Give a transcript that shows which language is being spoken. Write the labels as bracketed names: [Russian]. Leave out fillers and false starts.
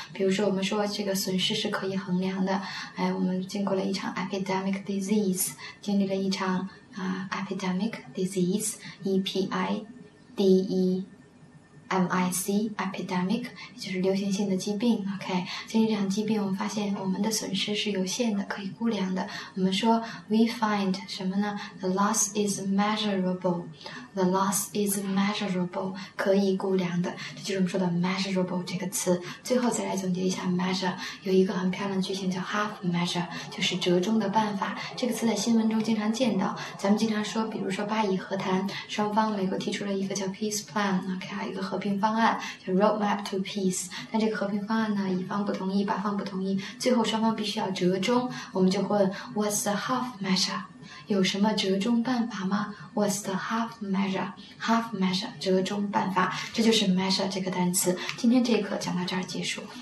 [Chinese] 比如说我们说这个损失是可以衡量的，哎，我们经过了一场 epidemic disease， 经历了一场epidemic disease， EPIDEMIC epidemic 就是流行性的疾病。 OK， 经历这场疾病，我们发现我们的损失是有限的，可以估量的。我们说 we find 什么呢？ [English] The loss is measurable， the loss is measurable， [Chinese] 可以估量的，这就是我们说的 measurable 这个词。最后再来总结一下 measure， 有一个很漂亮的句型叫 half measure， 就是折中的办法。这个词在新闻中经常见到，咱们经常说，比如说巴以和谈，双方美国提出了一个叫 peace plan， OK， 还有一个和平方案叫 roadmap to peace， 但这个和平方案呢，乙方不同意，把方不同意，最后双方必须要折中。 [English] 我们就问 What's the half measure？ [Chinese] 有什么折中办法吗？ [English] What's the half measure？ [Chinese] Half measure 折中办法，这就是 measure 这个单词。今天这一课讲到这儿结束。